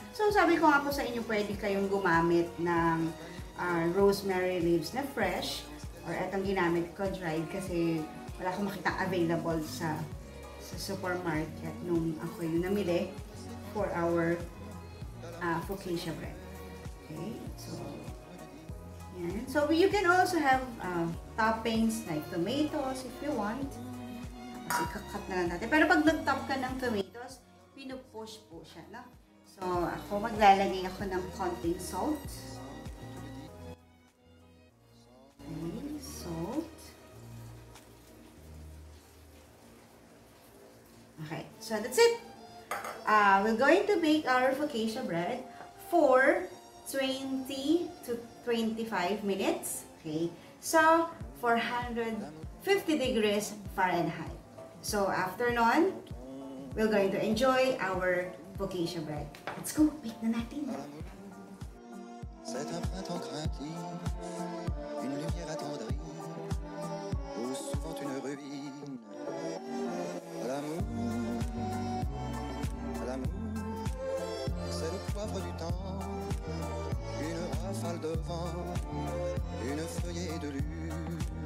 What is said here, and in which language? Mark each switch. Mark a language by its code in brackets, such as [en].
[tl] So, sabi ko nga po sa inyo, pwede kayong gumamit ng rosemary leaves na fresh or etong ginamit ko dried kasi wala akong makita available sa supermarket nung ako yung namili for our focaccia bread. Okay? So, yan. [en] So, you can also have toppings like tomatoes if you want. [tl] Kasi kakat na lang natin. Pero pag nag-top ka ng tomatoes, pinupush po siya, no? So, ako maglalagay ako ng konting salt. [en] Okay, salt. Okay, so that's it. We're going to bake our focaccia bread for 20 to 25 minutes. Okay, so 450 degrees Fahrenheit. So after noon, we're going to enjoy our focaccia bread. Let's go, [tl] bake na natin. [fr] C'est un printemps craintif, une lumière attendrie, ou souvent une ruine. L'amour, c'est le poivre du temps, une rafale de vent, une feuillée de lune.